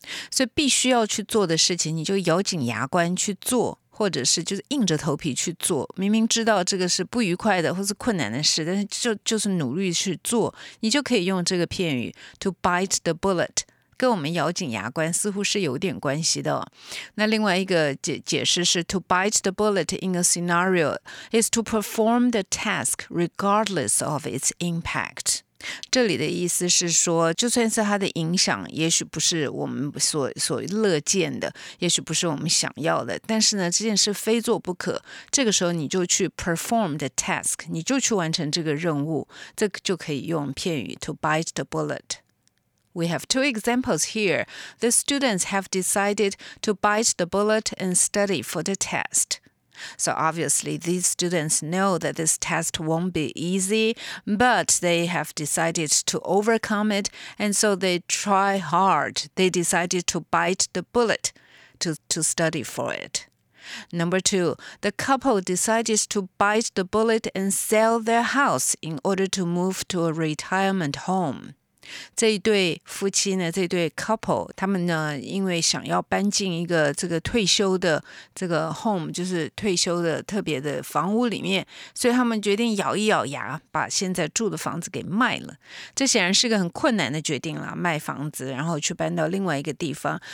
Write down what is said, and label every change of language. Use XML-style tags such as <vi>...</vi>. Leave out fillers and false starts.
<zh>所以必须要去做的事情，你就咬紧牙关去做。或者是就是硬着头皮去做，明明知道这个是不愉快的或是困难的事，但是就是努力去做，你就可以用这个片语</zh> <en>to bite the bullet，</en> <zh>跟我们咬紧牙关似乎是有点关系的。那另外一个解释是</zh> <en>to bite the bullet in a scenario is to perform the task regardless of its impact。</en> <zh>这里的意思是说，就算是它的影响，也许不是我们所乐见的，也许不是我们想要的，但是呢，这件事非做不可，这个时候你就去</zh> <en>perform the task，</en> <zh>你就去完成这个任务，这个就可以用片语</zh> <en>to bite the bullet。 We have two examples here. The students have decided to bite the bullet and study for the test. So obviously, these students know that this test won't be easy, but they have decided to overcome it, and so they try hard. They decided to bite the bullet to study for it. Number two, the couple decided to bite the bullet and sell their house in order to move to a retirement home.</en> <zh>这一对夫妻呢，这对 couple， 他们呢，因为想要搬进一个这个退休的这个 home， 就是退休的特别的房屋里面，所以他们决定咬一咬牙，把现在住的房子给卖了。这显然是个很困难的决定啦，卖房子，然后去搬到另外一个地方。</zh>